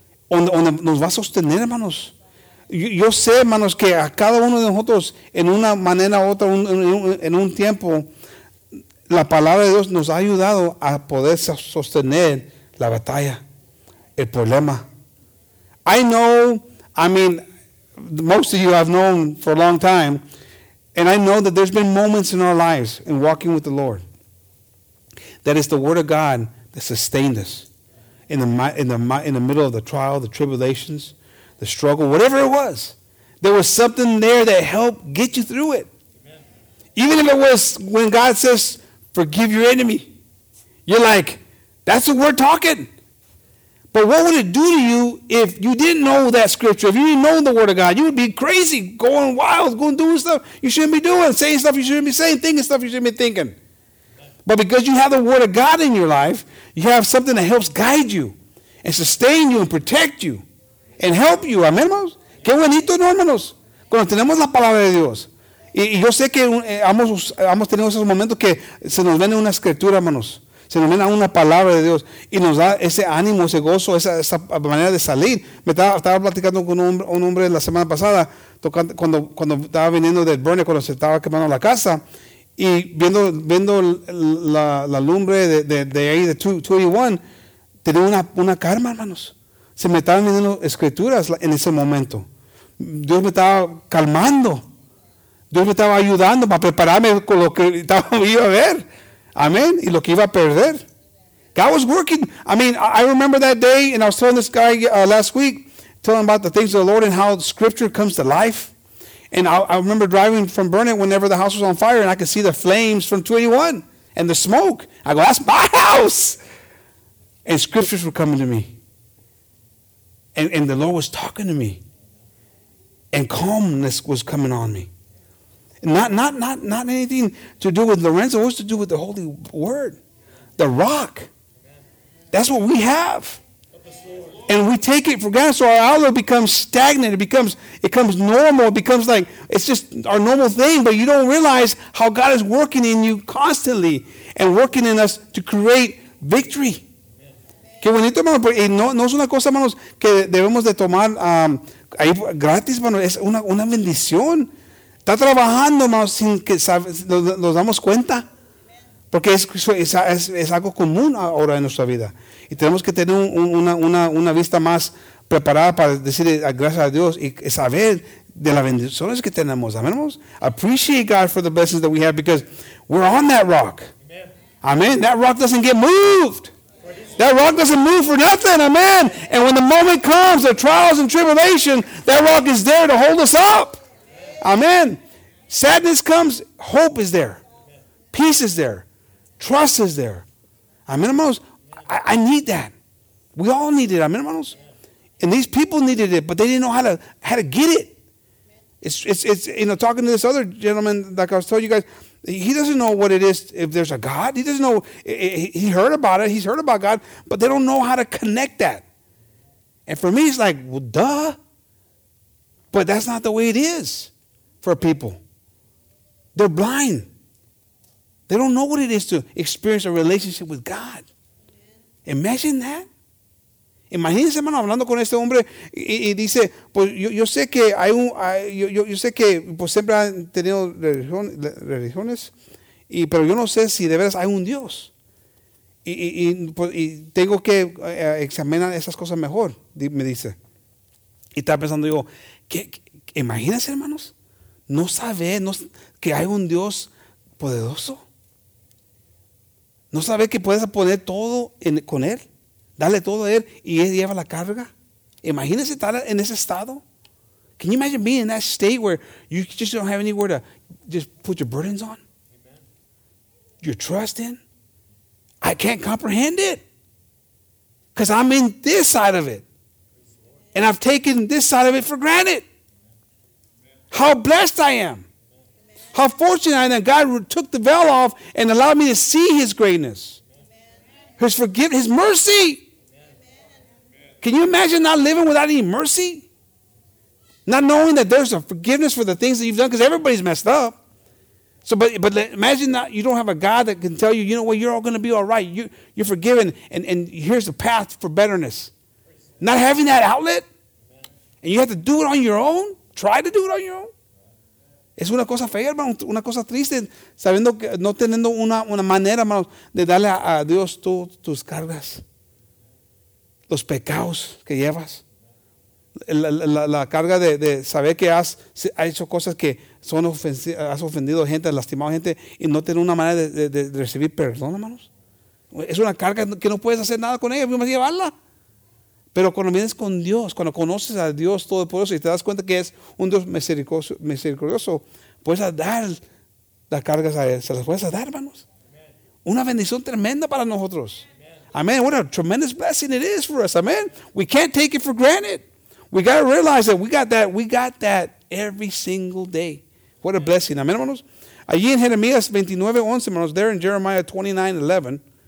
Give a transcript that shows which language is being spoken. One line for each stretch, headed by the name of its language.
Spanish: Donde nos va a sostener, hermanos. Yo sé, hermanos, que a cada uno de nosotros, en una manera u otra, en un tiempo, la palabra de Dios nos ha ayudado a poder sostener la batalla, el problema.
English: Most of you I've known for a long time, and I know that there's been moments in our lives in walking with the Lord that it's the Word of God that sustained us in the middle of the trial, the tribulations, the struggle, whatever it was. There was something there that helped get you through it. Amen. Even if it was when God says, forgive your enemy. You're like, that's what we're talking. But what would it do to you if you didn't know that scripture? If you didn't know the word of God, you would be crazy, going wild, going doing stuff you shouldn't be doing, saying stuff you shouldn't be saying, thinking stuff you shouldn't be thinking. But because you have the word of God in your life, you have something that helps guide you and sustain you and protect you and help you.
Spanish: Amén, hermanos. Qué bonito, ¿no, hermanos? Cuando tenemos la palabra de Dios. Y yo sé que hemos tenido esos momentos que se nos viene una escritura, hermanos. Se nos viene una palabra de Dios. Y nos da ese ánimo, ese gozo, esa manera de salir. Estaba platicando con un hombre la semana pasada, cuando estaba viniendo del burner, cuando se estaba quemando la casa. Y viendo la lumbre de ahí, de 281, tenía una karma, hermanos. Se me estaban viniendo escrituras en ese momento. Dios me estaba calmando. Dios me estaba ayudando para prepararme con lo que iba a ver. Amén. Y lo que iba a perder.
English: God was working. I remember that day, and I was telling this guy last week, telling about the things of the Lord and how scripture comes to life. And I remember driving from Burnett whenever the house was on fire, and I could see the flames from 281 and the smoke. I go, that's my house. And scriptures were coming to me. And the Lord was talking to me. And calmness was coming on me. Not anything to do with Lorenzo. It was to do with the Holy Word, the rock. That's what we have, and we take it for granted. So our outlook becomes stagnant. It becomes normal. It becomes like it's just our normal thing. But you don't realize how God is working in you constantly and working in us to create victory.
Spanish: Qué bonito, hermano. Y no es una cosa, hermanos, que debemos de tomar ahí gratis, hermano. Es una bendición. Está trabajando, hermanos, sin que nos damos cuenta. Porque es algo común ahora en nuestra vida. Y tenemos que tener una vista más preparada para decir gracias a Dios y saber de las bendiciones que tenemos. Amén, hermanos.
English: Appreciate God for the blessings that we have because we're on that rock. Amen. That rock doesn't get moved. That rock doesn't move for nothing. Amen. And when the moment comes, the trials and tribulation, that rock is there to hold us up. Amen. Sadness comes, hope is there. Peace is there. Trust is there. Amen, hermanos. I need that. We all need it. Amen, hermanos. And these people needed it, but they didn't know how to get it. It's you know, talking to this other gentleman, like I was telling you guys, he doesn't know what it is if there's a God. He doesn't know. He heard about it. He's heard about God, but they don't know how to connect that. And for me, it's like, well, duh. But that's not the way it is. For people, they're blind. They don't know what it is to experience a relationship with God. Imagine that.
Spanish: Imagínense, hermano, hablando con este hombre y dice, pues yo sé que hay un, yo sé que pues siempre han tenido religiones, pero yo no sé si de veras hay un Dios. Y tengo que examinar esas cosas mejor, me dice. Y está pensando, digo, ¿qué? Imagínense, hermanos, no saber no, que hay un Dios poderoso. No saber que puedes poner todo en, con Él, darle todo a Él y Él lleva la carga. Imagínense estar en ese estado.
English: Can you imagine being in that state where you just don't have anywhere to just put your burdens on? Amen. Your trust in? I can't comprehend it. Because I'm in this side of it. And I've taken this side of it for granted. Amen. How blessed I am. Amen. How fortunate I am that God took the veil off and allowed me to see His greatness. Amen. His forgiveness, His mercy. Amen. Can you imagine not living without any mercy? Not knowing that there's a forgiveness for the things that you've done, because everybody's messed up. So, but imagine that you don't have a God that can tell you, you know what, you're all going to be all right. You're forgiven, and here's the path for betterness. Not having that outlet, and you have to do it on your own, try to do it on your own.
Spanish: Es una cosa fea, hermano, una cosa triste, sabiendo que no teniendo una manera, hermano, de darle a Dios tus cargas, los pecados que llevas. La carga de saber que has hecho cosas que son has ofendido gente, has lastimado gente y no tener una manera de recibir perdón, hermanos. Es una carga que no puedes hacer nada con ella, más llevarla. Pero cuando vienes con Dios, cuando conoces a Dios Todopoderoso y te das cuenta que es un Dios misericordioso, puedes dar las cargas a Él. Se las puedes dar, hermanos. Amen. Una bendición tremenda para nosotros. Amén.
English: What a tremendous blessing it is for us. Amén. We can't take it for granted. We got to realize that we got that every single day. What a blessing. Amen, hermanos.
Spanish: Allí en Jeremías 29, 11, hermanos,
English: there in Jeremiah 29, 11.